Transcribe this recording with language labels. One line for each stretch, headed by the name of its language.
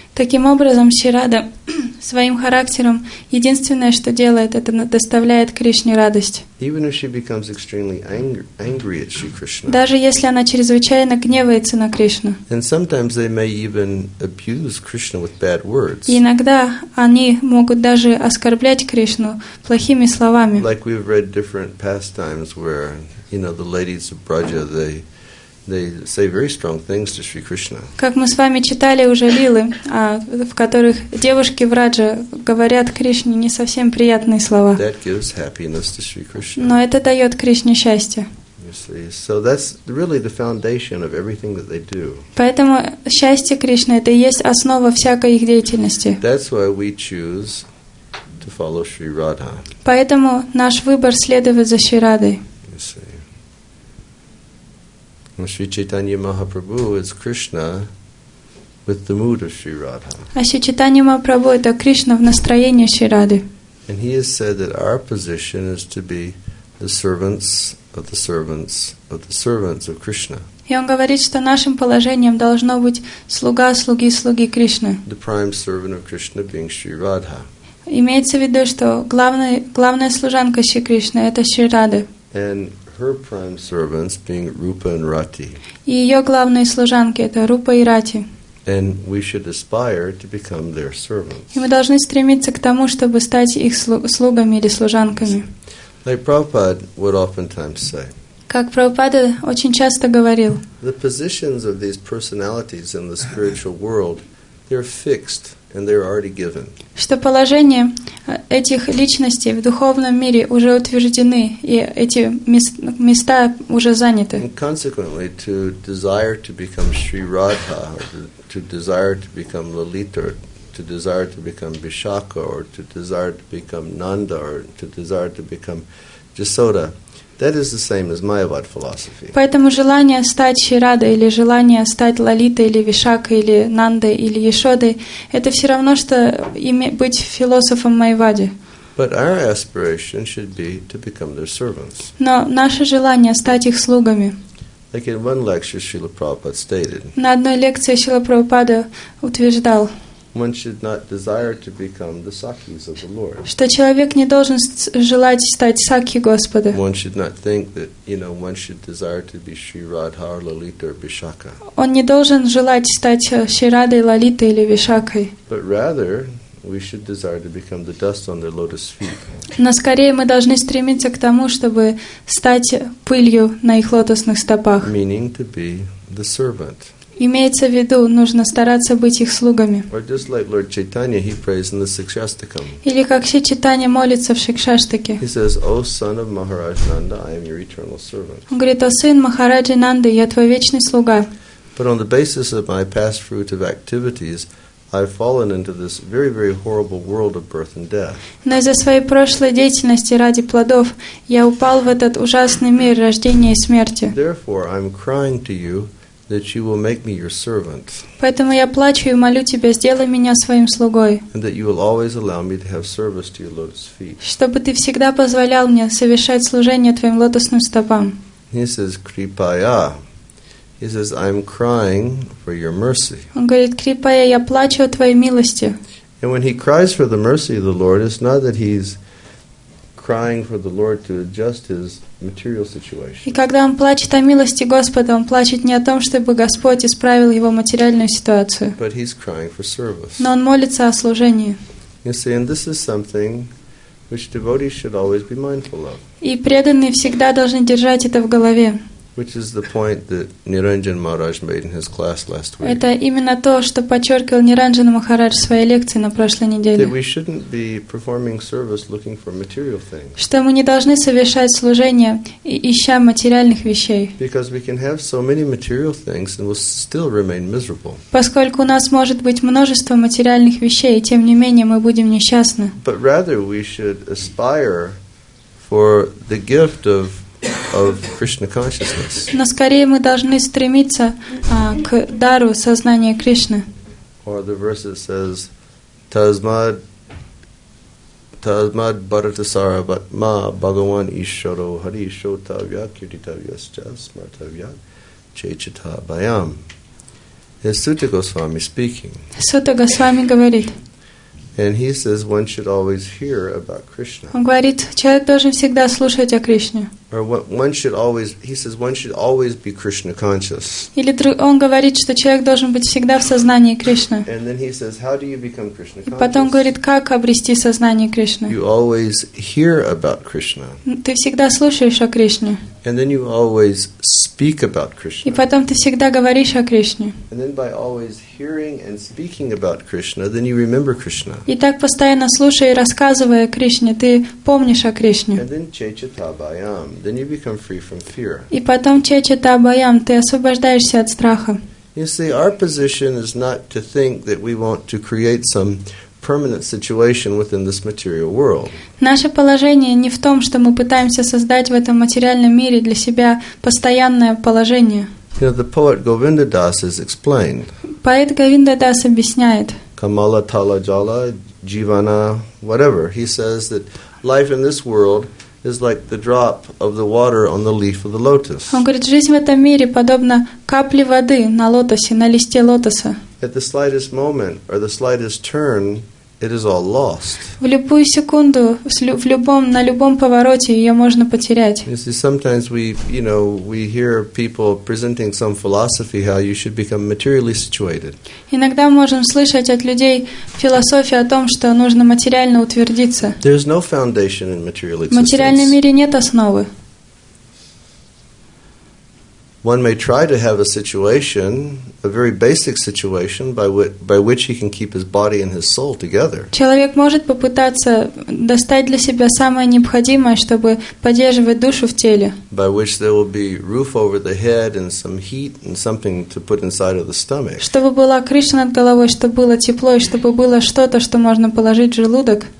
Russian: Таким образом, Шри Радха своим характером единственное, что делает, это доставляет Кришне радость.
English: Even if she becomes extremely angry at Sri Krishna.
Russian: Даже если она чрезвычайно гневается на Кришну.
English: And sometimes they may even abuse Krishna with bad words.
Russian: И иногда они могут даже оскорблять Кришну плохими словами.
English: Like we've read different pastimes where, you know, the ladies of Braja, they say very strong things to Sri Krishna.
Russian: Как мы с вами читали уже лилы, в которых девушки враджа говорят Кришне не совсем приятные слова.
English: That gives happiness to Sri Krishna.
Russian: Но это дает Кришне счастье.
English: You see, so that's really the foundation of everything that they do.
Russian: Поэтому счастье Кришны — это и есть основа всякой их деятельности.
English: That's why we choose to follow Sri Radha.
Russian: Поэтому наш выбор — следовать за Шри Радхой.
English: Шри Чайтанья Махапрабху is Krishna with the mood of Sri Radha.
Russian: А Шри Чайтанья Махапрабху — это Кришна в настроении Шри Радхи.
English: And he has said that our position is to be the servants of the servants of the servants of Krishna.
Russian: И он говорит, что нашим положением должно быть слуга слуги слуги Кришны.
English: The prime servant of Krishna being Sri Radha.
Russian: Имеется в виду, что главная служанка Шри Кришны — это Шри Радха.
English: And her prime servants being Rupa and Rati.
Russian: И ее главные служанки — это Рупа и Рати.
English: And we should aspire to become their servants.
Russian: И мы должны стремиться к тому, чтобы стать их слугами или служанками.
English: Like Prabhupada would oftentimes say.
Russian: Как Прабхупада очень часто говорил.
English: The positions of these personalities in the spiritual world, they're fixed. And they're already given.
Russian: Что положение этих личностей в духовном мире уже утверждены, и эти места уже заняты.
English: And consequently, to desire to become Sri Radha, to desire to become Lalita, to desire to become Bishakha, or to desire to become Nanda, or to desire to become Jasoda, that is the same as Mayavad philosophy.
Russian: Поэтому желание стать Шри Радхой или желание стать Лалитой или Вишакой или Нандой или Ешодой — это все равно, что быть философом Майявады.
English: But our aspiration should be to become their servants.
Russian: Но наше желание — стать их слугами.
English: Like in one lecture, Srila Prabhupada stated.
Russian: На одной лекции Шрила Прабхупада утверждал.
English: One should not desire to become the sakis of the Lord.
Russian: Что человек не должен желать стать саки Господа.
English: One should not think that, you know, one should desire to be Sri Radha or Lalita or Vishakha.
Russian: Он не должен желать стать Шри Радой, Лалитой или Вишакой.
English: But rather, we should desire to become the dust on their lotus feet.
Russian: Но скорее мы должны стремиться к тому, чтобы стать пылью на их лотосных стопах.
English: Meaning to be the servant.
Russian: Имеется в виду, нужно стараться быть их слугами.
English: Or just like Lord Chaitanya, he prays in the Sikshastakam.
Russian: Или как Шри Чайтанья молится в Шикшаштаке.
English: He says, "O son of Maharaj Nanda, I am your eternal servant."
Russian: Он говорит: "О сын Махараджи Нанды, я твой вечный слуга."
English: But on the basis of my past fruit of activities, I've fallen into this very, very horrible world of birth and death.
Russian: Но из-за своей прошлой деятельности ради плодов я упал в этот ужасный мир рождения и смерти.
English: Therefore, I'm crying to you that you will make me your servant.
Russian: Поэтому я плачу и молю тебя, сделай меня своим слугой.
English: And that you will always allow me to have service to your lotus feet.
Russian: Чтобы ты всегда позволял мне совершать служение твоим лотосным стопам.
English: He says, Kripaya. He says, I'm crying for your mercy.
Russian: Он говорит, Кripaya, я плачу о твоей милости.
English: And when he cries for the mercy of the Lord, it's not that he's crying for the Lord to adjust his material situation.
Russian: И когда он плачет о милости Господа, он плачет не о том, чтобы Господь исправил его материальную ситуацию.
English: But he's crying for service.
Russian: Но он молится о служении.
English: You see, and this is something which devotees should always be mindful of.
Russian: И преданные всегда должны держать это в голове.
English: Which is the point that Niranjan Maharaj made in his class last week.
Russian: Это именно то, что подчеркивал Ниранджан Махарадж в своей лекции на прошлой неделе.
English: That we shouldn't be performing service looking for material things.
Russian: Что мы не должны совершать служение, ища материальных вещей.
English: Because we can have so many material things and we'll still remain miserable.
Russian: Поскольку у нас может быть множество материальных вещей, и тем не менее мы будем несчастны.
English: But rather we should aspire for the gift of Krishna consciousness.
Russian: Но скорее мы должны стремиться к дару сознания Кришны.
English: Or the verse that says,
Sanskrit: "Tasmad Bharatasara Bhatma Bhagavan Ishvaro Hari Shotavya Kirtitavyascha Smartavya Chaitita Bayam."
English: It's Sutta Goswami speaking.
Russian: Sutta Goswami говорит.
English: And he says one should always hear about Krishna.
Russian: Он говорит, человек должен всегда слушать о Кришне.
English: Or one should always, he says one should always be Krishna conscious.
Russian: Или он говорит, что человек должен быть всегда в сознании Кришны.
English: And then he says, how do you become Krishna conscious?
Russian: И потом говорит, как обрести сознание Кришны?
English: You always hear about Krishna.
Russian: Ты всегда слушаешь о Кришне.
English: And then you always speak about Krishna.
Russian: И потом ты всегда говоришь о Кришне.
English: And then by always hearing and speaking about Krishna, then you remember Krishna.
Russian: И так постоянно слушая и рассказывая о Кришне, ты помнишь о Кришне.
English: And then chaitabhayam, then you become free from fear.
Russian: И потом chaitabhayam, ты освобождаешься от страха.
English: You see, our position is not to think that we want to create some permanent situation within this material world.
Russian: Наше положение не в том, что мы пытаемся создать в этом материальном мире для себя постоянное положение.
English: You know, the poet Govinda Das has explained.
Russian: Поэт Говинда Дас объясняет.
Sanskrit: Kamala Tala Jala Jivana
English: whatever. He says that life in this world is like the drop of the water on the leaf of the lotus.
Russian: Он говорит, жизнь в этом мире подобна капле воды на лотосе, на листе лотоса.
English: At the slightest moment or the slightest turn, it is all lost.
Russian: В любую секунду, на любом повороте ее можно потерять.
English: You see, sometimes we hear people presenting some philosophy how you should become materially situated.
Russian: Иногда мы можем слышать от людей философию о том, что нужно материально утвердиться.
English: There is no foundation in material existence.
Russian: В материальном мире нет основы.
English: One may try to have a situation, a very basic situation, by which he can keep his body and his soul together.
Russian: Человек может попытаться достать для себя самое необходимое, чтобы поддерживать душу в теле.
English: By which there will be roof over the head and some heat and something to put inside of the stomach.
Russian: Чтобы была крыша над головой, чтобы было тепло и чтобы было что-то, что можно положить в желудок.